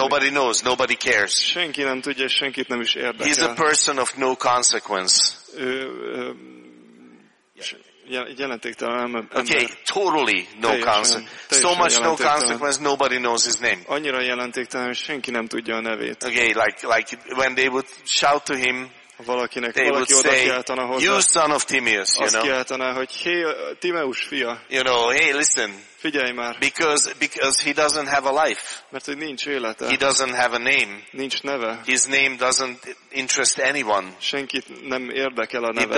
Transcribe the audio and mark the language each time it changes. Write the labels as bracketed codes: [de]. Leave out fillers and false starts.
[en] Nobody knows, nobody cares. [hu] Senki nem tudja, senkit nem is érdekel. [en] He's a person of no consequence. Okay, totally no consequence. So much no consequence, nobody knows his name. [hu] Annyira jelentéktelen, senki nem tudja a nevét. [en] Okay, like when they would shout to him, [hu] valakinek, [en] they [hu] valaki [en] would say, you son of Timaeus, you know. [hu] Azt kiáltaná, hogy hey, Timaeus fia. [en] You know, hey, listen. [hu] Figyelj már. [en] Because he doesn't have a life. [hu] Mert hogy nincs élete. [en] He doesn't have a name. [hu] Nincs neve. [en] His name doesn't interest anyone. [hu] Senkit nem érdekel a neve.